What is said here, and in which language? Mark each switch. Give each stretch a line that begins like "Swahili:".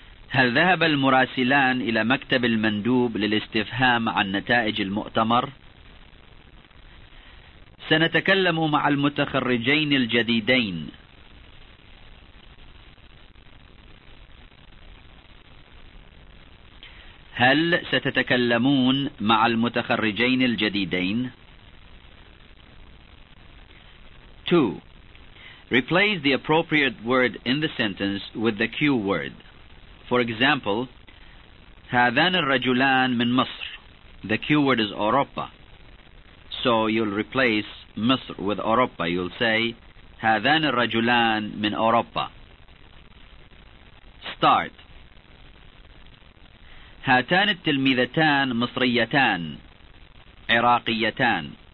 Arabic: هل ذهب المراسلان إلى مكتب المندوب للاستفهام عن نتائج المؤتمر؟ سنتكلم مع المتخرجين الجديدين. هل ستتكلمون مع المتخرجين الجديدين؟ 2.
English: Replace the appropriate word in the sentence with the cue word. For example,
Arabic: هذان الرجلان من مصر.
English: The cue word is أوروبا. So you'll replace مصر with أوروبا. You'll say
Arabic: هذان الرجلان من أوروبا.
English: Start.
Arabic: هاتان التلميذتان مصريتان عراقيتان.